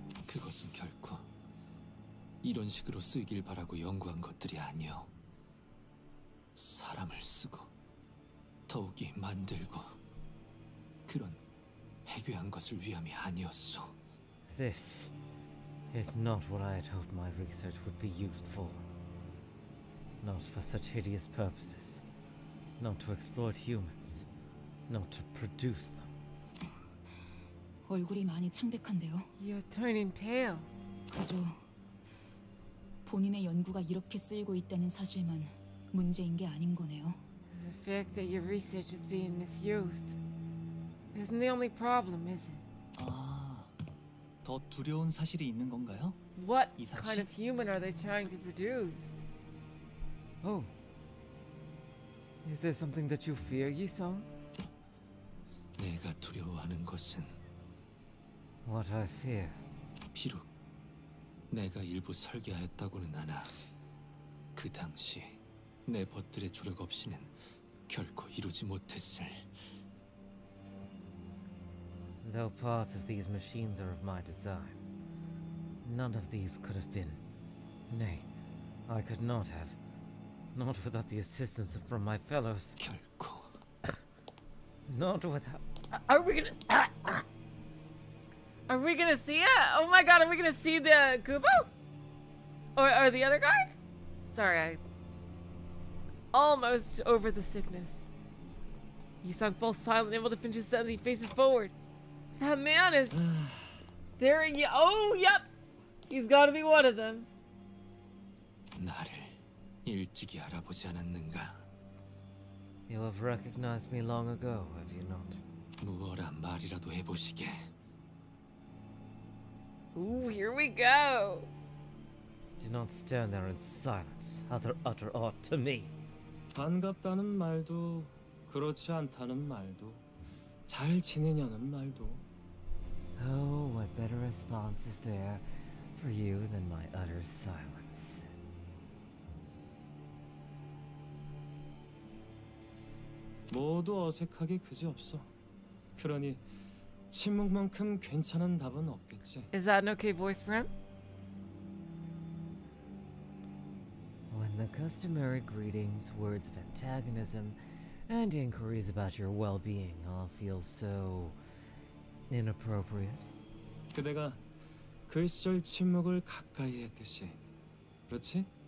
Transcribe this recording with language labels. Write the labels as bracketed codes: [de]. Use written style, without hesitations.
[ko] 그것은 결코 이런 식으로 쓰이길 바라고 연구한 것들이 아니오. 사람을 쓰고 더욱이 만들고 그런 해괴한 것을 위함이 아니었소. [en] This is not what I had hoped my research would be used for. Not for such hideous purposes. Not to exploit humans. Not to produce them. [ko] 얼굴이 많이 창백한데요. [en] You're turning pale. [ko] 그저 본인의 연구가 이렇게 쓰이고 있다는 사실만 문제인 게 아닌 거네요. [en] The fact that your research is being misused. Isn't the only problem, is it? [ko] 아, 더 두려운 사실이 있는 건가요? [en] What kind of human are they trying to produce? Oh. Is there something that you fear, Yisong? [ko] 내가 두려워하는 것은 [en] What I fear. [ko] 비록 내가 일부 설계하였다고는 하나 그 당시 내 벗들의 조력 없이는 결코 이루지 못했을 [en] Though parts of these machines are of my design, none of these could have been. Nay, I could not have. Not without the assistance from my fellows. [ko] 결코. [en] Not without. Are we gonna see it? Oh my god, are we gonna see the Kubo? Or the other guy? Sorry, I. Almost over the sickness. Yisung falls silent, able to finish his sentence, he faces forward. That man is... there he... Oh, yep! He's gotta be one of them. [ko] 나를 일찍이 알아보지 않았는가? [en] You have recognized me long ago, have you not? [ko] 무어란 말이라도 해보시게. [en] Ooh, here we go! Do not stand there in silence, utter awe to me. [ko] 반갑다는 말도, 그렇지 않다는 말도, 잘 지내냐는 말도, [en] Oh, what better response is there for you than my utter silence? [ko] 모두 어색하게 그지 없어. 그러니 침묵만큼 괜찮은 답은 없겠지. [en] Is that an okay voice for him? When the customary greetings, words of antagonism, and inquiries about your well-being all feel so inappropriate. [ko] 그대가 그 시절 침묵을 가까이 했듯이, 그렇지?